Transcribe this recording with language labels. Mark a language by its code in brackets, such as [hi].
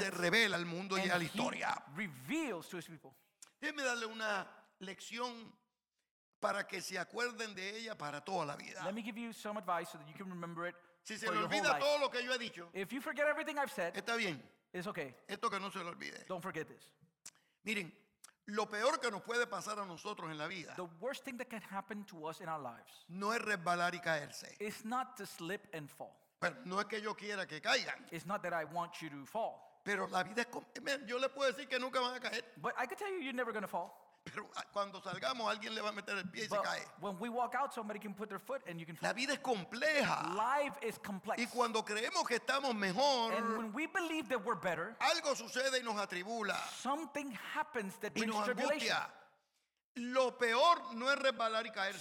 [es] y se revela al mundo y a la historia. [en] He reveals to his people. [es] Déjeme darle una lección para que se acuerden de ella para toda la vida. [en] Let me give you some advice so that you can remember it. [es] Si se le olvida todo lo que yo he dicho, [en] if you forget everything I've said, [es] está bien. [en] It's okay. [es] Esto que no se le olvide. [en] Don't forget this. [es] Miren, lo peor que nos puede pasar a nosotros en la vida, [en] the worst thing that can happen to us in our lives, [es] no es resbalar y caerse. [en] It's not to slip and fall. [es] Pero no es que yo quiera que caigan. [en] It's not that I want you to fall. [es] Pero la vida es como, man, yo le puedo decir que nunca van a caer. [en] But I can tell you you're never going to fall. [es] Pero cuando salgamos, alguien le va a meter el pie y [en] but [es] se cae. [en] When we walk out, somebody can put their foot and you can fall. [es] La vida es compleja. [en] Life is complex. [es] Y cuando creemos que estamos mejor, [en] and when we believe that we're better, [es] algo sucede y nos atribula. [en] Something happens that brings tribulation. [es] Lo peor no es resbalar y caerse.